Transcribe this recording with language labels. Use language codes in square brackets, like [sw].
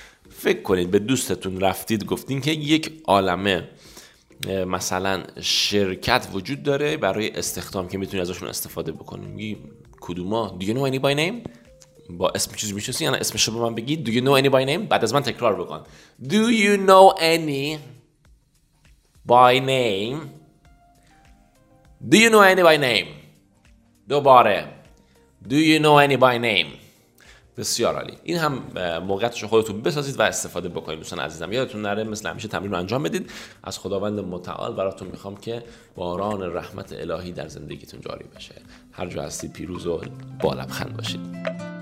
[fa] فکر کنید به دوستتون رفتید گفتین که یک عالمه مثلا شرکت وجود داره برای استخدام که میتونی ازشون استفاده بکنیم. کدوما؟ [en] Do you know any by name؟ [fa] با اسم چیزی میشناسی؟ یعنی اسمش رو به من بگید. [en] Do you know any by name؟ [fa] بعد از من تکرار بکن. [en] Do you know any by name؟ Do you know any by name؟ [fa] دوباره. [en] Do you know any by name؟ [fa] بسیار عالی. این هم موقعیتش خودتون بسازید و استفاده بکنید. دوستان عزیزم یادتون نره مثل همیشه تمرین رو انجام بدید. از خداوند متعال براتون میخوام که باران رحمت الهی در زندگیتون جاری بشه. هر جا هستید پیروز و با لبخند باشید.